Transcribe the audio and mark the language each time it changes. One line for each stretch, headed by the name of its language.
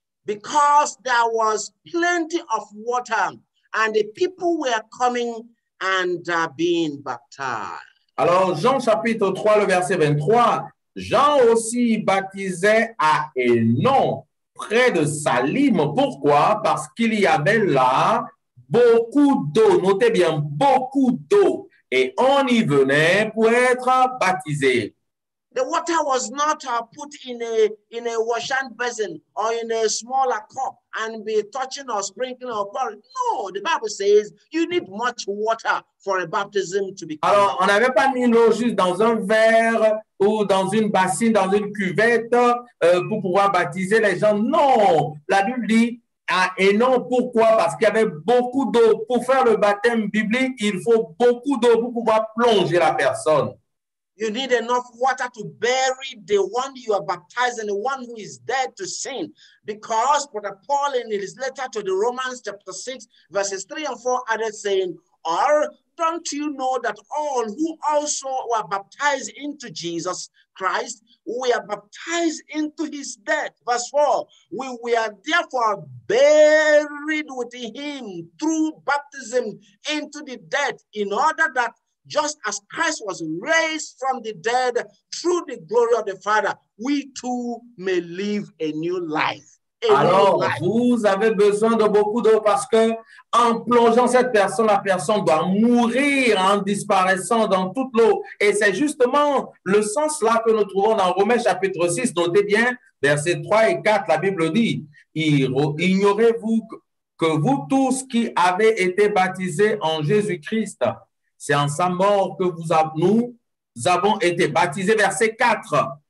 English: Because there was plenty of water and the people were coming and being baptized.
French: Alors, Jean chapitre 3, le verset 23, Jean aussi baptisait à Enam près de Salim. Pourquoi? Parce qu'il y avait là beaucoup d'eau. Notez bien, beaucoup d'eau. Et on y venait pour être baptisé.
English: The water was not put in a washing basin or in a smaller cup and be touching or sprinkling or pouring. No, the Bible says you need much water for a baptism to be.
French: Alors, on n'avait pas mis l'eau juste dans un verre ou dans une bassine, dans une cuvette pour pouvoir baptiser les gens. Non, la Bible dit. Ah, et non, pourquoi? Parce qu'il y avait beaucoup d'eau. Pour faire le baptême biblique, il faut beaucoup d'eau pour pouvoir plonger la personne.
English: You need enough water to bury the one you are baptizing, the one who is dead to sin. Because Brother Paul in his letter to the Romans chapter 6, verses 3 and 4 added saying, or don't you know that all who also were baptized into Jesus Christ, we are baptized into his death. Verse 4, we are therefore buried with him through baptism into the death, in order that just as Christ was raised from the dead through the glory of the Father, we too may live a new life.
French: Alors, vous avez besoin de beaucoup d'eau parce que en plongeant cette personne, la personne doit mourir en disparaissant dans toute l'eau. Et c'est justement le sens là que nous trouvons dans Romains chapitre 6. Notez bien, versets 3 et 4, la Bible dit, ignorez-vous que vous tous qui avez été baptisés en Jésus-Christ, c'est en sa mort que nous avons été baptisés. Verset 4.